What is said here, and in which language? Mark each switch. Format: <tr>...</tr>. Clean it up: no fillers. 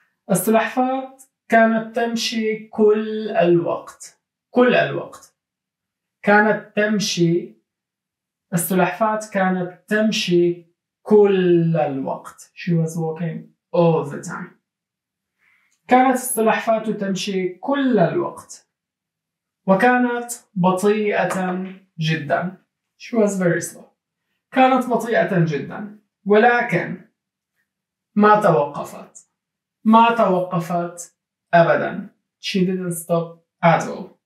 <ar>السلحفاة كانت تمشي كل الوقت. كل الوقت. كانت تمشي. السلحفاة كانت تمشي كل الوقت.</ar> <en>She was walking all the time.</en> <ar>كانت السلحفاة تمشي كل الوقت. وكانت بطيئة جدا.</ar> <en>She was very slow.</en> <ar>كانت بطيئة جدا. ولكن ما توقفت. ما توقفت أبدا.</ar> <en>She didn't stop at all.</en>